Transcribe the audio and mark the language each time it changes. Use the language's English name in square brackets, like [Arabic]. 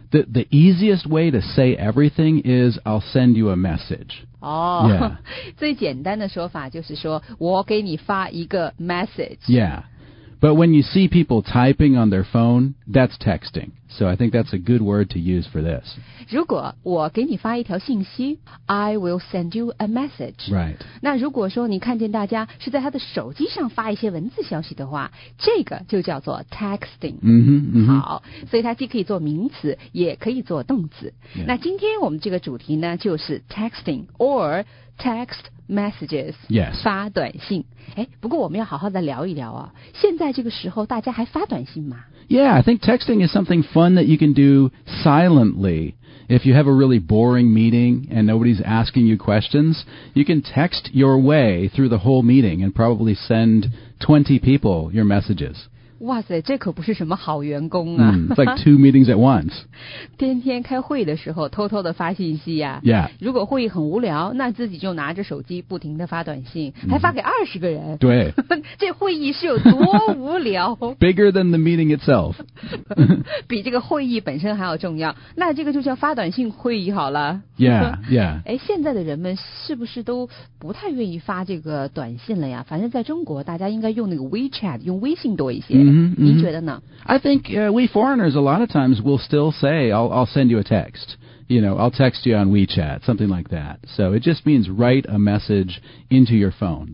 [English] The easiest way to say everything is I'll send you a message. Oh, yeah. [Chinese] 最简单的说法就是说我给你发一个 message. [English] Yeah. But when you see people typing on their phone, that's texting. So I think that's a good word to use for this. [Chinese] 如果我给你发一条信息 [English] I will send you a message. Right. [Chinese] 那如果说你看见大家是在他的手机上发一些文字消息的话，这个就叫做 texting. [English] Mm-hmm, mm-hmm. [Chinese] 好，所以它既可以做名词，也可以做动词。 [English] Yeah. [Chinese] 那今天我们这个主题呢，就是 [English] texting or text. Messages, yes. [Chinese] 发短信。不过我们要好好的聊一聊啊。现在这个时候，大家还发短信吗？ [English] Yeah, I think texting is something fun that you can do silently. If you have a really boring meeting and nobody's asking you questions, you can text your way through the whole meeting and probably send 20 people your messages. [Chinese] 哇塞，这可不是什么好员工啊。 [English] It's like two meetings at once. [Chinese] 天天开会的时候偷偷的发信息啊。 [English] Yeah. [Chinese] 如果会议很无聊，那自己就拿着手机不停的发短信，还发给20个人。对。这会议是有多无聊。 [English] Bigger than the meeting itself. [Chinese] 比这个会议本身还要重要。那这个就叫发短信会议好了。 [English] Yeah, yeah. [Chinese] 现在的人们是不是都不太愿意发这个短信了呀？反正在中国大家应该用那个 WeChat, 用微信多一些。 [English] Mm-hmm, mm-hmm. [Chinese] 你觉得呢? [English] I think we foreigners a lot of times will still say, I'll send you a text. You know, I'll text you on WeChat, something like that. So it just means write a message into your phone.